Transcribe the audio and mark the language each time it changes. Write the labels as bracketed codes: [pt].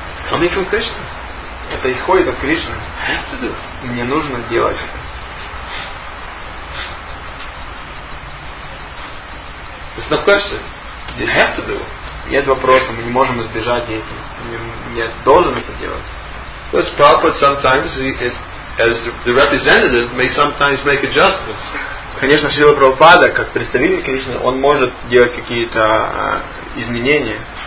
[en] Coming from Krishna. [ru] Это исходит от Кришны. [en] I have to do. [ru] Мне нужно делать. [en] It's not a question. You have to do it. [ru] Нет вопроса, мы не можем избежать этого. Я должен это делать. [en] Well, Prabhupada sometimes, as the representative, may sometimes make adjustments. [ru] Конечно, Шрила Прабхупада, как представитель Кришны, он может делать какие-то изменения.